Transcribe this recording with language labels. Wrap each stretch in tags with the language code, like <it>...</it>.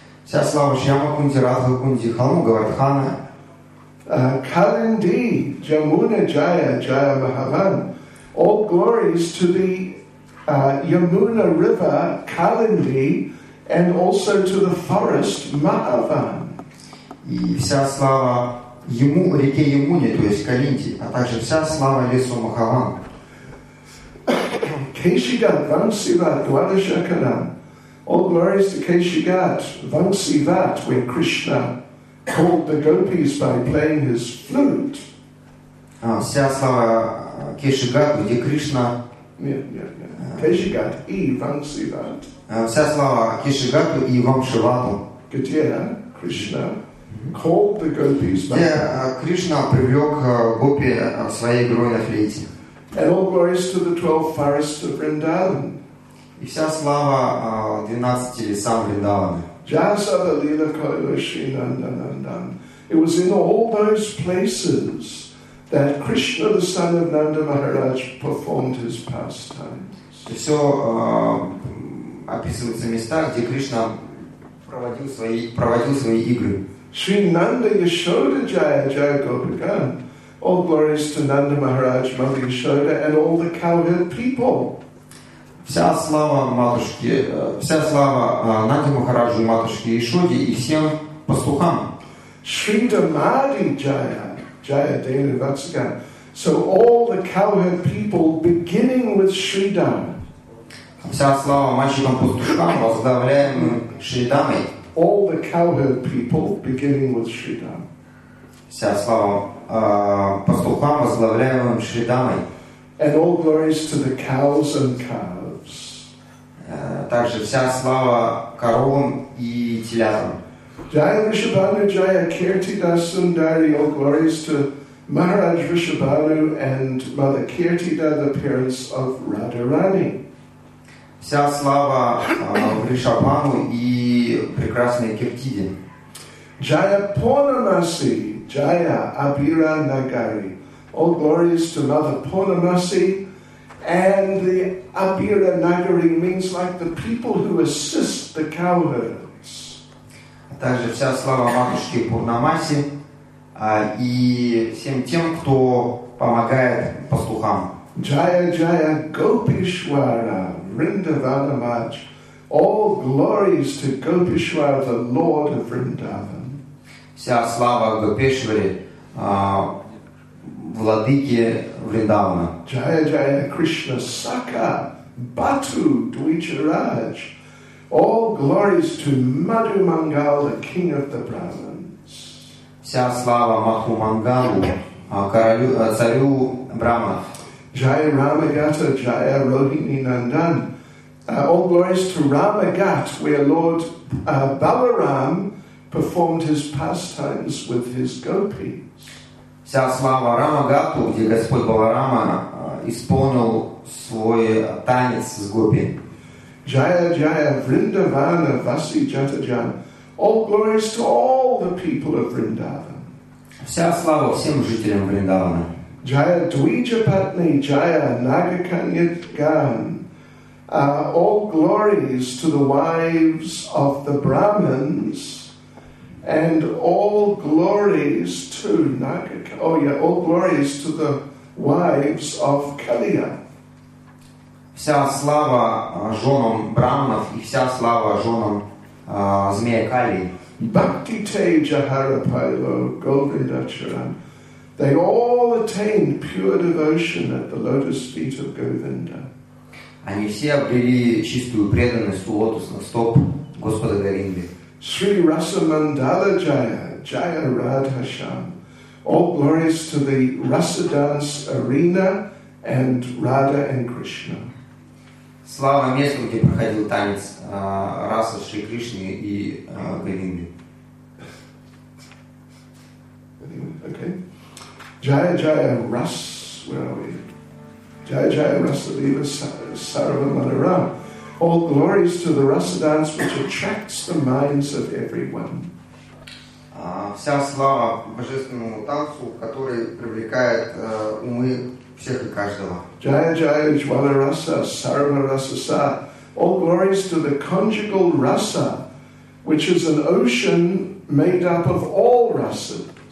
<ru>Вся слава Шьямакунде, Радхакунде, Халму Говардхана.</ru> <bn>Kalindi, Jamuna Jaya, Jaya Mahavan.</bn> <en>All glories to the Yamuna River, Kalindi, and also to the forest, Mahavan.</en> <ru>И вся слава ему, реке Ямуне, то есть Калинди, а также вся слава лесу Махаван.</ru> <en>Кешигат, Вансиват, Двадашакаран. All glories to Кешигат, Вансиват, where Krishna called the gopis by playing his flute.</en> <ru>Вся слава Кешигат, где Кришна. Кешигат и Вансиват. Вся слава Кешигату и Вамшивату. Где Кришна</ru> <en>called the gopis by playing.</en> <ru>Кришна привлек гопи своей игрой на флейте.</ru> <en>And all glories to the 12 forests of Vrindavan.</en> <ru>И вся слава 12 лесам Вриндавана.</ru> <bn>Jasava Lila Kailashi Nandanandan.</bn> <en>It was in all those places that Krishna, the son of Nanda Maharaj, performed his pastimes.</en> <ru>Все описывается места, где Кришна проводил свои игры.</ru> <bn>Shri Nanda Yashoda Jaya Jaya Gopikan.</bn> <en>All glories to Nanda Maharaj, Mother Yashoda, and all the cowherd people.</en> <ru>Вся слава матушке, вся слава Нанде Махараджу, матушке Ишоде и всем пастухам.</ru> <bn>Shri Damadi Jaya, Jaya Dena Vatsakan.</bn> <en>So all the cowherd people, beginning with Shri Dam.</en> <ru>Вся слава мальчикам пастухам, возглавляемым Shri Damai.</ru> <en>All the cowherd people, beginning with Shri Dam.</en> <ru>Вся слава пастухам, возглавляемым Shri Damai.</ru> <en>And all glories to the cows and calves.</en> <ru>Также вся слава коровам и телятам.</ru> <bn>Jaya Vrishabhanu Jaya Kirti Das Sundari.</bn> <en>All glories to Maharaj Vrishabhanu and Mother Kirtida, the parents of Radharani.</en> <ru>Вся слава Вришабану и прекрасной Киртиде.</ru> <bn>Jaya Purnamasi Jaya Abira Nagari.</bn> <en>All glories to Mother Purnamasi and the Abira Nagari means like the people who assist the cowherds.</en> <ru>Также вся слава матушке Пурнамаси и всем тем, кто помогает пастухам.</ru> <bn>Jaya Jaya Gopishwara Vrindavanamaj.</bn> <en>All glories to Gopishwara, the Lord of Vrindavan.</en> <ru>Вся слава Гопешваре, владыке Вриндавана.</ru> <bn>Jaya Jaya Krishna Saka Batu Dwijaraj.</bn> <en>All glories to Madhu Mangal, the king of the Brahmins.</en> <ru>Вся слава Мадху Мангалу, царю Брахманов.</ru> <bn>Jaya Ramagata Jaya Rohini Nandan.</bn> <en>All glories to Ramagat, where Lord Balaram performed his pastimes with his gopis.</en> <ru>Вся слава Рамагату, где Господь Баларама исполнил свой танец с гопи.</ru> <bn>Jaya Jaya Vrindavana Vasi Jatajan.</bn> <en>All glories to all the people of Vrindavan.</en> <ru>Вся слава всем жителям Вриндавана.</ru> <bn>Jaya Dwijapatni Jaya Nagakanyagan.</bn> <en>All glories to the wives of the Brahmins. And all glories to all glories to the wives of Kaliya.</en> <ru>Вся слава женам Брахманов и вся слава женам змея Кали.</ru> <bn>Bhakti te jahara pailo, Govinda charan.</bn> <en>They all attained pure devotion at the lotus feet of Govinda.</en> <ru>Они все обрели чистую преданность у лотосных стоп Господа Говинды.</ru> <bn>Sri Rasa Mandala Jaya, Jaya Radha Shyam.</bn> <en>All glories to the Rasa Dance Arena and Radha and Krishna.</en> <ru>Слава месту, где проходил танец Раса Шри Кришны и Говинды.</ru> <en>Okay.</en> <bn>Jaya Jaya Ras,</bn> <en>where are we?</en> <bn>Jaya Jaya Rasadeva Sarva Madaram.</bn> <en>All glories to the Rasa Dance which attracts the minds of everyone.</en> <ru>Вся слава божественному танцу, который привлекает умы всех и каждого.</ru> <bn>Jaya Jaya Ujwala Rasa Sarva Rasa Sa.</bn> <en>All glories to the conjugal Rasa, which is an ocean made up of all rasas.</en>